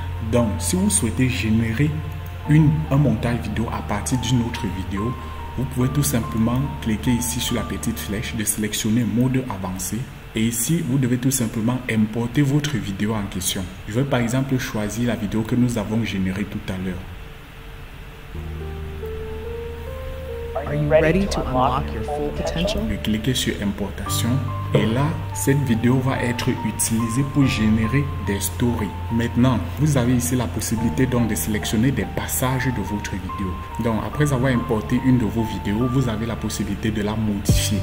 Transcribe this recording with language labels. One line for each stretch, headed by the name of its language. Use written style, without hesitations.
French: Donc, si vous souhaitez générer un montage vidéo à partir d'une autre vidéo, vous pouvez tout simplement cliquer ici sur la petite flèche de sélectionner mode avancé. Et ici, vous devez tout simplement importer votre vidéo en question. Je vais par exemple choisir la vidéo que nous avons générée tout à l'heure.
English: Are you ready to unlock your full potential?
French: Je vais cliquer sur importation. Et là, cette vidéo va être utilisée pour générer des stories. Maintenant, vous avez ici la possibilité donc de sélectionner des passages de votre vidéo. Donc, après avoir importé une de vos vidéos, vous avez la possibilité de la modifier.